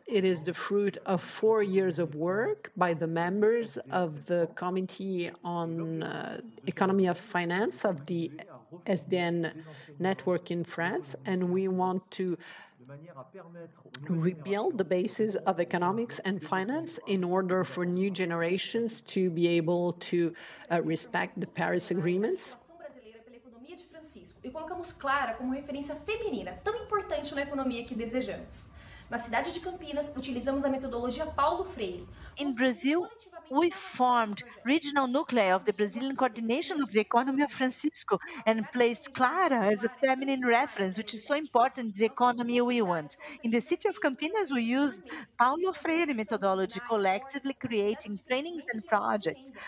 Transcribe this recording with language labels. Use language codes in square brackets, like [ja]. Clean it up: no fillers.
[en] It is the fruit of 4 years of work by the members of the Committee on Economy of Finance of the SDN network in France, and we want to rebuild the basis of economics and finance in order for new generations to be able to respect the Paris agreements. [pt] E colocamos Clara como referência feminina, tão importante na economia que desejamos. Na cidade de Campinas, utilizamos a metodologia Paulo Freire. [en] In Brazil, we formed regional nuclei of the Brazilian coordination of the economy of Francisco and placed Clara as a feminine reference, which is so important, the economy we want. In the city of Campinas, we used Paulo Freire methodology, collectively creating trainings and projects.